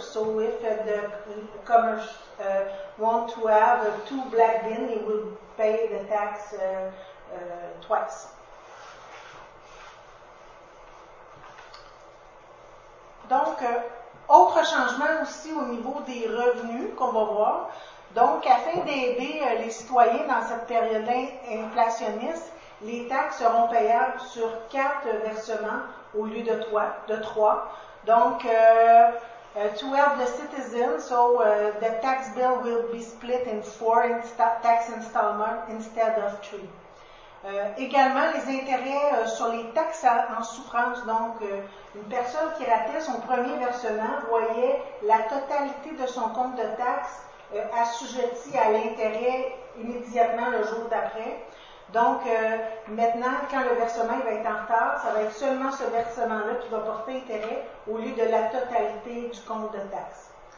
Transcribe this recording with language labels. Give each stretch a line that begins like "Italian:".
English: So if the commerce want to have two black bins, they will pay the tax twice.
French: Donc, autre changement aussi au niveau des revenus qu'on va voir. Donc, afin d'aider les citoyens dans cette période inflationniste, les taxes seront payables sur 4 versements au lieu de 3.
English: Donc, to help the citizens, so the tax bill will be split in 4 tax installments instead of 3.
French: Également, les intérêts sur les taxes en souffrance. Donc, une personne qui ratait son premier versement voyait la totalité de son compte de taxes assujetti à l'intérêt immédiatement le jour d'après. Donc, maintenant, quand le versement il va être en retard, ça va être seulement ce versement-là qui va porter intérêt au lieu de la totalité du compte de taxes.